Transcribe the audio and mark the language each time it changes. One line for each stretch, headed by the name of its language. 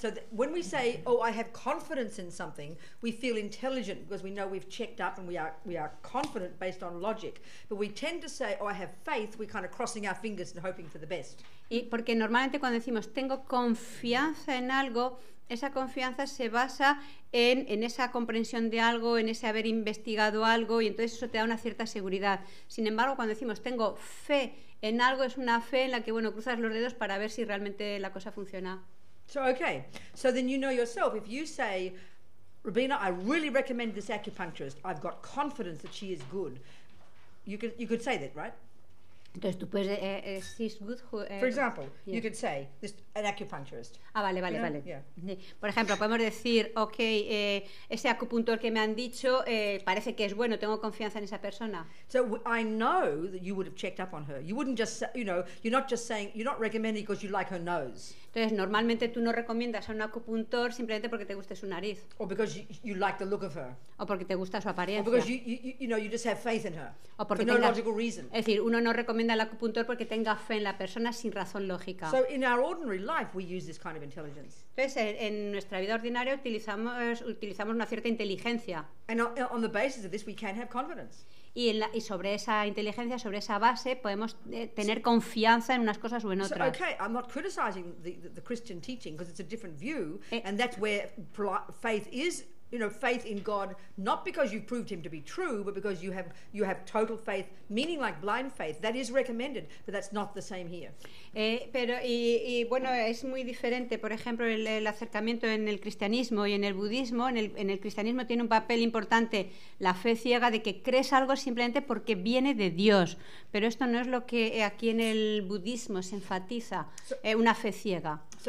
English: When we say, oh, I have confidence in something, we feel intelligent because we know we've checked up and we are confident based on logic. But we tend to say, oh, I have faith, we're kind of crossing our fingers and hoping for the best.
Spanish: Y porque normalmente cuando decimos tengo confianza en algo, esa confianza se basa en esa comprensión de algo, en ese haber investigado algo, y entonces eso te da una cierta seguridad. Sin embargo, cuando decimos tengo fe en algo, es una fe en la que, bueno, cruzas los dedos para ver si realmente la cosa funciona.
English: So, okay. So then you know yourself, if you say, Rubina, I really recommend this acupuncturist, I've got confidence that she is good. You could say that, right?
Spanish: Entonces tú puedes
English: she's good. For example, yes. You could say this, an acupuncturist.
Spanish: Ah, vale,
English: you know?
Spanish: Vale.
English: Yeah.
Spanish: Por ejemplo, podemos decir, okay, ese acupuntor que me han dicho parece que es bueno. Tengo confianza en esa persona.
English: So I know that you would have checked up on her. You wouldn't just, you know, you're not just saying, you're not recommending because you like her nose.
Spanish: Entonces normalmente tú no recomiendas a un acupuntor simplemente porque te guste su nariz.
English: Or because you like the look of her.
Spanish: O porque te gusta su apariencia.
English: Or because you just have faith in her.
Spanish: O porque
English: for no logical reason.
Spanish: Es decir, uno no recomienda al acupuntor porque tenga fe en la persona sin razón lógica.
English: So in our ordinary life we use this kind of intelligence.
Spanish: Entonces en nuestra vida ordinaria utilizamos una cierta inteligencia.
English: And on the basis of this we can have confidence.
Spanish: Y sobre esa inteligencia, sobre esa base, podemos tener confianza en unas cosas o en otras.
English: So, okay, I'm not criticizing the Christian teaching because it's a different view, and that's where faith is. You know, faith in God, not because you've proved him to be true, but because you have total faith, meaning like blind faith. That is recommended, but that's not the same here.
Spanish: Pero bueno, es muy diferente. Por ejemplo, el acercamiento en el cristianismo y en el budismo. En el cristianismo tiene un papel importante la fe ciega, de que crees algo simplemente porque viene de Dios. Pero esto no es lo que aquí en el budismo se enfatiza, una fe ciega.